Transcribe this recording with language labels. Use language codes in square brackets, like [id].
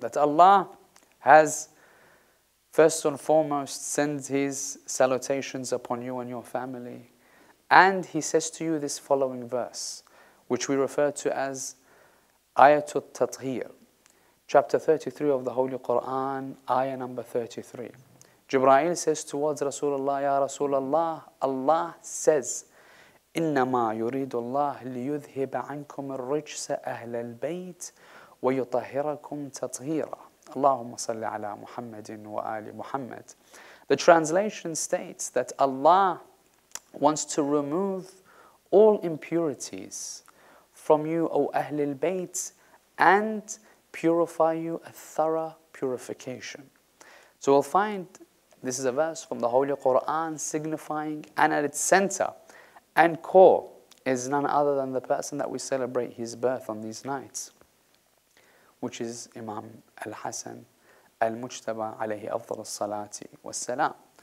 [en] That Allah has first and foremost sent his salutations upon you and your family. And he says to you this following verse, which we refer to as Ayatul Tathir, chapter 33 of the Holy Quran, ayah number 33. Jibreel says towards Rasulullah, Ya Rasulullah, Allah says, [ar] إنما يريد الله ليذهب عنكم الرجس أهل البيت ويطهركم تطهيرا. اللهم صل على محمد وآل محمد. [en] The translation states that Allah wants to remove all impurities from you, O Ahlul Bayt, and purify you a thorough purification. So we'll find this is a verse from the Holy Quran signifying, and at its center and core is none other than the person that we celebrate his birth on these nights, which is Imam Al-Hassan Al-Mujtaba alayhi afdal as-salati was-salam.